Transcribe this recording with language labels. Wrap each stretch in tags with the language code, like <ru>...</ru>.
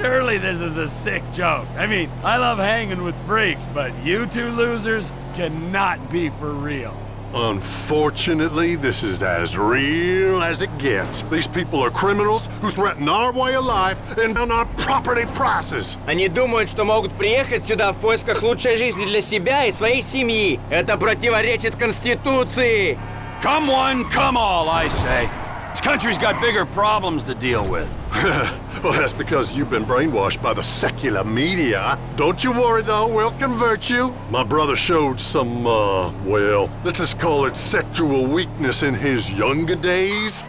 <en>Surely this is a sick joke. I mean, I love hanging with freaks, but you two losers cannot be for real. Unfortunately, this is as real as it gets. These people are criminals who threaten our way of life and on our property prices.</en> <ru>Они думают, что могут приехать сюда в поисках лучшей жизни для себя и своей семьи. Это противоречит Конституции.</ru> <en>Come one, come all, I say. This country's got bigger problems to deal with. Well, that's because you've been brainwashed by the secular media. Don't you worry, though. We'll convert you. My brother showed some, let's just call it sexual weakness in his younger days.</en>